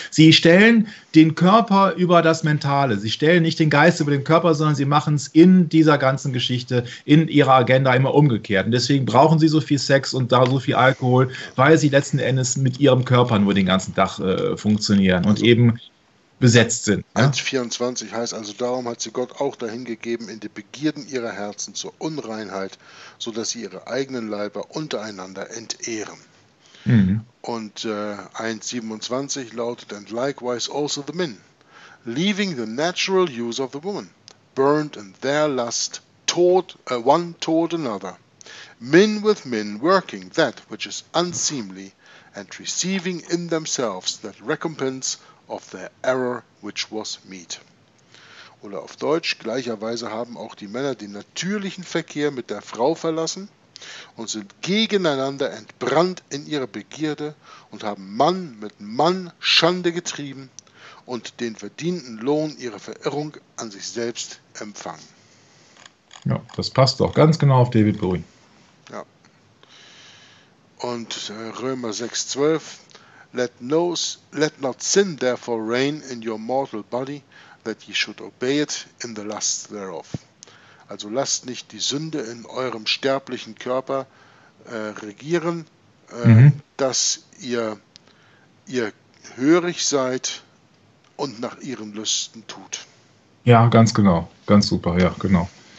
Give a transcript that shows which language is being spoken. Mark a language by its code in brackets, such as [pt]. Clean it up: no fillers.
[de] Sie stellen den Körper über das Mentale. Sie stellen nicht den Geist über den Körper, sondern sie machen es in dieser ganzen Geschichte, in ihrer Agenda immer umgekehrt. Und deswegen brauchen sie so viel Sex und da so viel Alkohol, weil sie letzten Endes mit ihrem Körper nur den ganzen Tag funktionieren und eben besetzt sind. Ja? 1,24 heißt also, darum hat sie Gott auch dahin gegeben, in die Begierden ihrer Herzen zur Unreinheit, sodass sie ihre eigenen Leiber untereinander entehren. Mhm. Und 1,27 lautet, [en] and likewise also the men, leaving the natural use of the woman, burned in their lust toward, one toward another, men with men working that which is unseemly and receiving in themselves that recompense of the error which was meat. [de] Oder auf Deutsch, gleicherweise haben auch die Männer den natürlichen Verkehr mit der Frau verlassen und sind gegeneinander entbrannt in ihrer Begierde und haben Mann mit Mann Schande getrieben und den verdienten Lohn ihrer Verirrung an sich selbst empfangen. Ja, das passt doch ganz genau auf David Bowie. Ja. Und Römer 6,12. [en] Let not sin therefore reign in your mortal body, that ye should obey it in the lust thereof. [de] Also lasst nicht die Sünde in eurem sterblichen Körper regieren, dass ihr hörig seid und nach ihren Lüsten tut. Ja, ganz genau. Ganz super, ja, genau.